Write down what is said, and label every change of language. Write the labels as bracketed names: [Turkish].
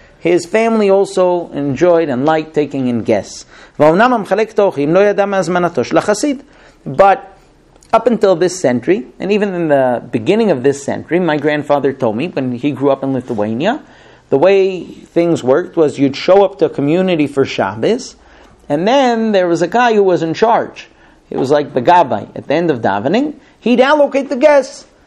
[English] His family also enjoyed and liked taking in guests. [Hebrew] ואומנם המחלק את האורחים לא ידע מהזמנתו של החסיד. [English] But up until this century, and even in the beginning of this century, my grandfather told me when he grew up in Lithuania, the way things worked was you'd show up to a community for Shabbos, and then there was a guy who was in charge. It was like the gabbai at the end of davening. He'd allocate the guests.